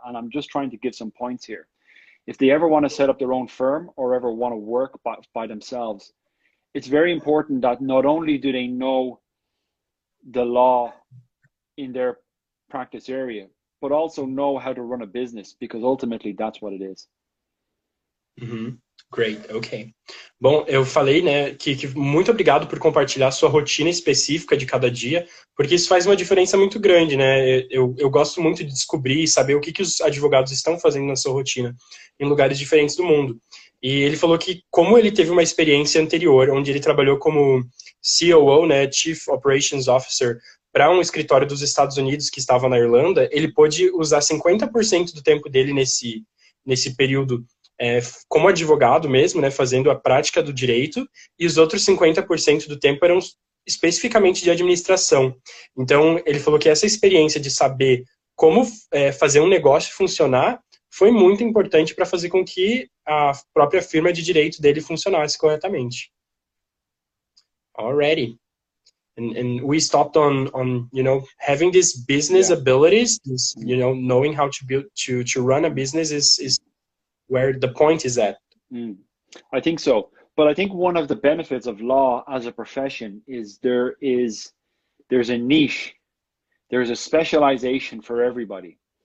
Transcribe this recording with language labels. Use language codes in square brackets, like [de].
[en] And I'm just trying to give some points here. If they ever want to set up their own firm or ever want to work by themselves, it's very important that not only do they know the law in their practice area, but also know how to run a business, because ultimately that's what it is. Mm-hmm. Great, ok. [pt] Bom, eu falei, né, que muito obrigado por compartilhar sua rotina específica de cada dia, porque isso faz uma diferença muito grande, né? Eu gosto muito de descobrir e saber o que os advogados estão fazendo na sua rotina em lugares diferentes do mundo. E ele falou que, como ele teve uma experiência anterior, onde ele trabalhou como COO, né, Chief Operations Officer, para um escritório dos Estados Unidos que estava na Irlanda, ele pôde usar 50% do tempo dele nesse período como advogado mesmo, né, fazendo a prática do direito, e os outros 50% do tempo eram especificamente de administração. Então, ele falou que essa experiência de saber como fazer um negócio funcionar foi muito importante para fazer com que a própria firma de direito dele funcionasse corretamente. Alrighty. [en] and we stopped on you know, having these business yeah. abilities, this, you know, knowing how to build to run a business is where the point is at. I think so. But I think one of the benefits of law as a profession is there's a niche, there's a specialization for everybody.